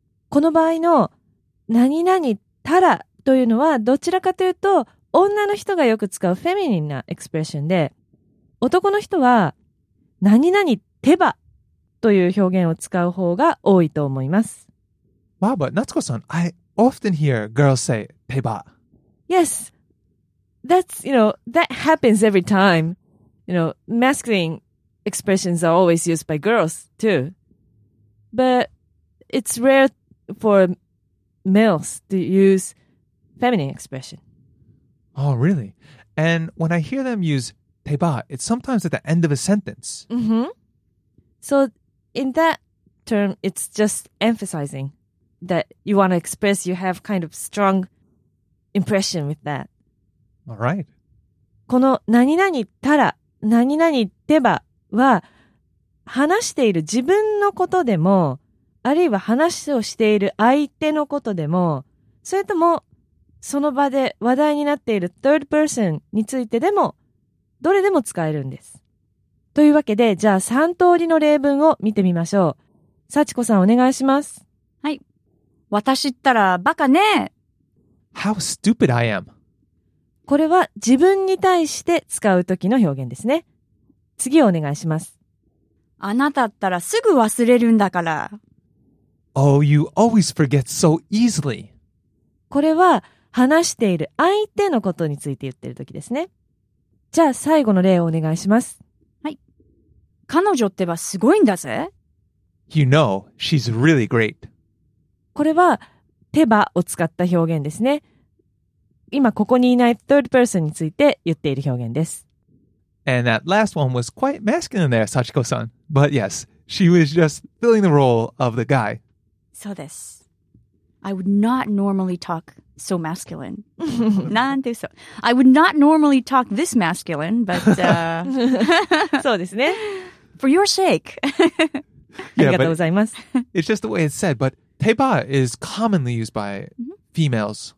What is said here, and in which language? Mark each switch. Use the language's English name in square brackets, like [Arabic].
[Japanese] この場合の何々たらというのはどちらかというと女の人がよく使うフェミニンなエクスプレッションで、男の人は何々てばという表現を使う方が多いと思います。 [English] Wow, but Natsuko-san, I often hear girls say てば。 Yes, that's, you know, that happens every time. You know, masculine expressions are always used by girls too, but it's rare for males to useFeminine expression. Oh, really? And when I hear them use teba, it's sometimes at the end of a sentence. Mm-hmm. So in that term, it's just emphasizing that you want to express you have kind of strong impression with that. All right. [Japanese] この何々たら、何々teba は話している自分のことでも、あるいは話をしている相手のことでも、それともその場で話題になっている third person についてでもどれでも使えるんです。というわけで、じゃあ3通りの例文を見てみましょう。幸子さん、お願いします。はい。私ったらバカね。 [English] How stupid I am。 [Japanese] これは自分に対して使う時の表現ですね。次お願いします。あなたったらすぐ忘れるんだから。 [English] Oh, you always forget so easily。 [Japanese] これは話している相手のことについて言ってる時ですね。じゃあ最後の例をお願いします。はい。彼女ってばすごいんだぜ。 [English] You know, she's really great. [Japanese] これはてばを使った表現ですね。今ここにいない third person について言っている表現です。 [English] And that last one was quite masculine there, Sachiko-san. But yes, she was just filling the role of the guy. [Japanese] そうです。 [English] I would not normally talk so masculine. Nante so. I would not normally talk this masculine, but... [Japanese] そうですね。 [English] For your sake. [Japanese] ありがとうございます。 [English] It's just the way it's said, but te ba is commonly used by females.